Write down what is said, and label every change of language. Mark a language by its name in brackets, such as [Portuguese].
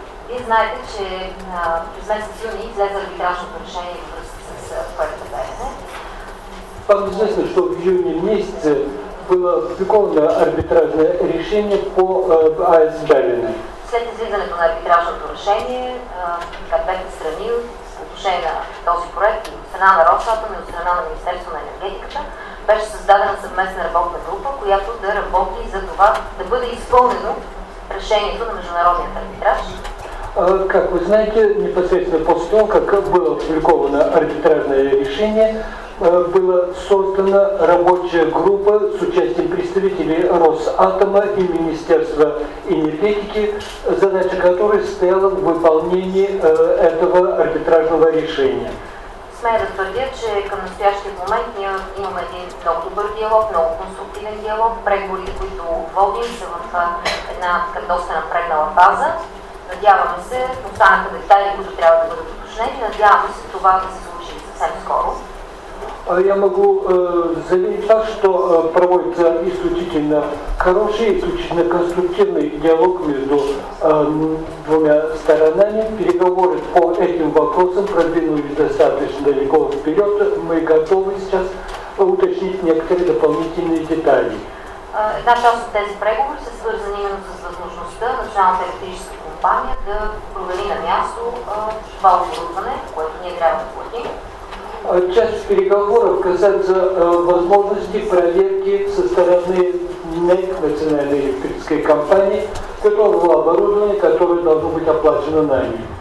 [Russian] Вы знаете, что в Мексике взяли арбитражное решение в Белене? Вам известно, что в июне месяце было опубликовано арбитражное решение по АЭС Белене. [Bulgarian] След излизането на арбитражното решение, как бяха страни с отношение на този проект и от страна на Росатом и от страна на Министерство на енергетиката, беше създадена съвместна работна група, която да работи за това да бъде изпълнено решението на международния арбитраж. [Russian] Как вы знаете, непосредственно после того, как было опубликовано арбитражное решение, была создана рабочая группа с участием представителей Росатома и Министерства энергетики, задача которой стояла в выполнении этого арбитражного решения. [Bulgarian] Смею да твърдя, че към [Russian] настоящий [Bulgarian] момент ние имаме един много добър диалог, много конструктивен диалог. Преговорите, които водим, са в една доста напреднала фаза. Надяваме се, останаха детайли, които трябва да бъдат уточнени, надяваме се това да се случи съвсем скоро. [Russian] Я могу заявить так, что проводится исключительно хороший, исключительно конструктивный диалог между двумя сторонами. Переговоры по этим вопросам продвинулись достаточно далеко вперед. Мы готовы сейчас уточнить некоторые дополнительные детали. [Bulgarian] Една част от тези преговори са свързани именно с възможността Националната електрическа компания да провери на място това оборудване, което ние трябва да платим. [Russian] Часть переговоров касается возможности проверки со стороны НЭК, Национальной электрической компании, которого оборудование, которое должно быть оплачено нами.